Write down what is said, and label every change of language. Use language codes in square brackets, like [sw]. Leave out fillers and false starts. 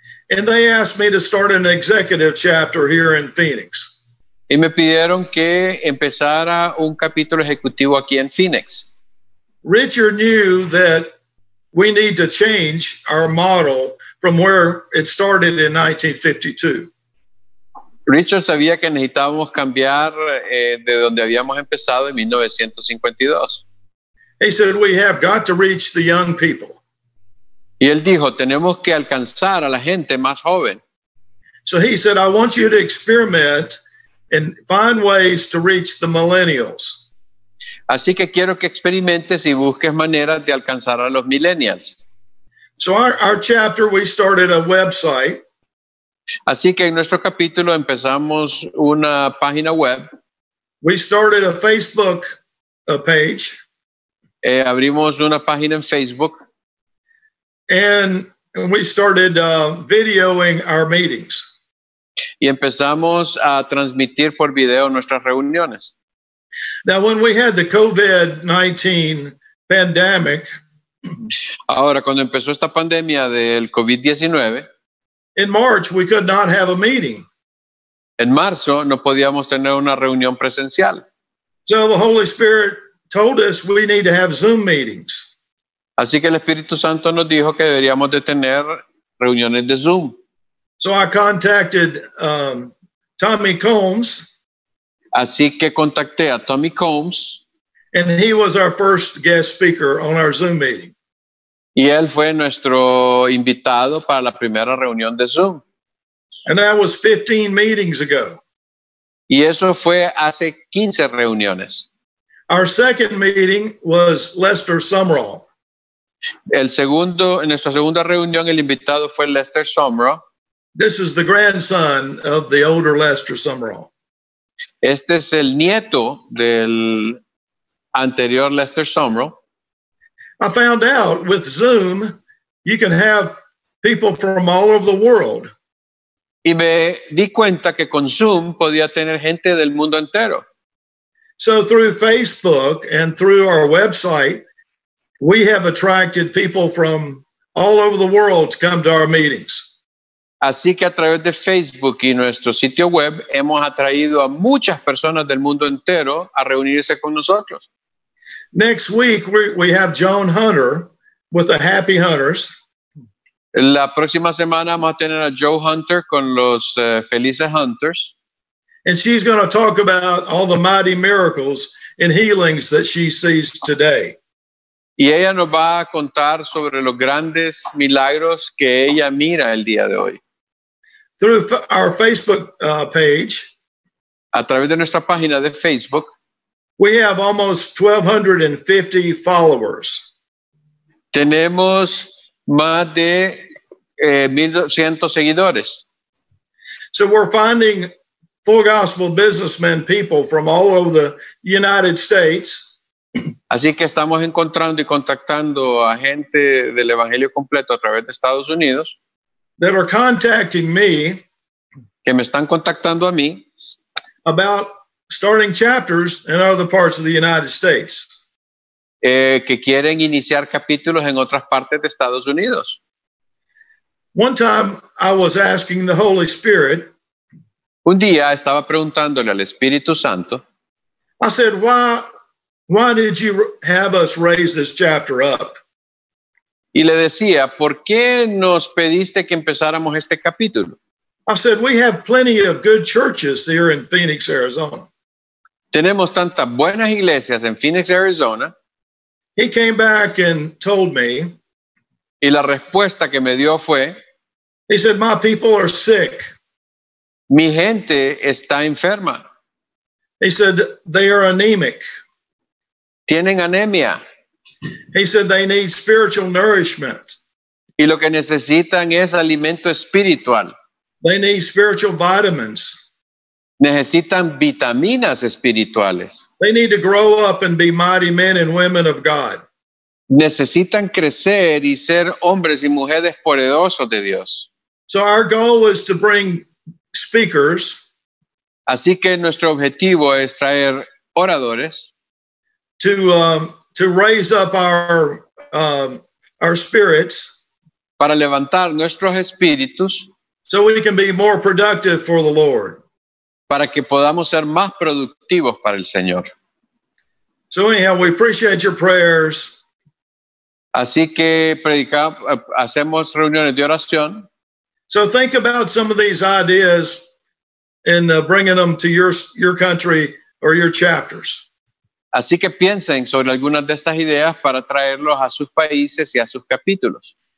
[en] And they asked me to start an executive chapter here in Phoenix. [es] Y me pidieron que empezara un capítulo ejecutivo aquí en Phoenix. [en] Richard knew that we need to change our model from where it started in 1952. [es] Richard sabía que necesitábamos cambiar de donde habíamos empezado en 1952. [en] He said, we have got to reach the young people. [es] Y él dijo, tenemos que alcanzar a la gente más joven. [en] So he said, I want you to experiment and find ways to reach the millennials. [es] Así que quiero que experimentes y busques maneras de alcanzar a los millennials. [en] So our chapter, we started a website. [es] Así que en nuestro capítulo empezamos una página web. [en] We started a Facebook page. [es] Abrimos una página en Facebook. [en] And we started videoing our meetings. [es] Y empezamos a transmitir por video nuestras reuniones. [en] Now, when we had the COVID-19 pandemic, [es] ahora, cuando empezó esta pandemia del COVID-19, [en] in March, we could not have a meeting. [es] En marzo, no podíamos tener una reunión presencial. [en] So the Holy Spirit told us we need to have Zoom meetings. [es] Así que el Espíritu Santo nos dijo que deberíamos de tener reuniones de Zoom. [en] So I contacted Tommy Combs. [es] Así que contacté a Tommy Combs. [en] And he was our first guest speaker on our Zoom meeting. [es] Y él fue nuestro invitado para la primera reunión de Zoom. [en] And that was 15 meetings ago. [es] Y eso fue hace 15 reuniones. [en] Our second meeting was Lester Sumrall. [es] En nuestra segunda reunión, el invitado fue Lester Sumrall. [en] This is the grandson of the older Lester Sumrall. [es] Este es el nieto del anterior Lester Sumrall. [en] I found out with Zoom, you can have people from all over the world. [es] Y me di cuenta que con Zoom podía tener gente del mundo entero. [en] So through Facebook and through our website, we have attracted people from all over the world to come to our meetings. [es] Así que a través de Facebook y nuestro sitio web hemos atraído a muchas personas del mundo entero a reunirse con nosotros. [en] Next week we have John Hunter with the Happy Hunters. [es] La próxima semana vamos a tener a Joe Hunter con los Felices Hunters. [en] And she's going to talk about all the mighty miracles and healings that she sees today. [es] Y ella nos va a contar sobre los grandes milagros que ella mira el día de hoy. [en] Through our Facebook page, [es] a través de nuestra página de Facebook, [en] we have almost 1,250 followers. [es] Tenemos más de 1,200 seguidores. [en] So we're finding full gospel businessmen, people from all over the United States. [es] Así que estamos encontrando y contactando a gente del Evangelio completo a través de Estados Unidos. [en] That are contacting me. [es] Que me están contactando a mí. [en] About starting chapters in other parts of the United States. [es] Que quieren iniciar capítulos en otras partes de Estados Unidos. [en] One time I was asking the Holy Spirit. [es] Un día estaba preguntándole al Espíritu Santo. [en] I said, why did you have us raise this chapter up? [es] Y le decía, ¿por qué nos pediste que empezáramos este capítulo? [en] I said, we have plenty of good churches here in Phoenix, Arizona. [es] Tenemos tantas buenas iglesias en Phoenix, Arizona. [en] He came back and told me. [es] Y la respuesta que me dio fue. [en] He said, my people are sick. [es] Mi gente está enferma. [en] He said, they are anemic. [es] Tienen anemia. [en] He said, they need spiritual nourishment. [es] Y lo que necesitan es alimento espiritual. [en] They need spiritual vitamins. [es] Necesitan vitaminas espirituales. [en] They need to grow up and be mighty men and women of God. [es] Necesitan crecer y ser hombres y mujeres poderosos de Dios. [en] So our goal is to bring speakers. [es] Así que nuestro objetivo es traer oradores. [en] To raise up our spirits. [es] Para levantar nuestros espíritus. [en] So we can be more productive for the Lord. [es] Para que podamos ser más productivos para el Señor. [en] So anyhow, we appreciate your prayers. [es] Así que hacemos reuniones de oración. [en] So think about some of these ideas in bringing them to your country or your chapters. [es] Así que piensen sobre algunas de estas ideas para traerlos a sus países y a sus capítulos.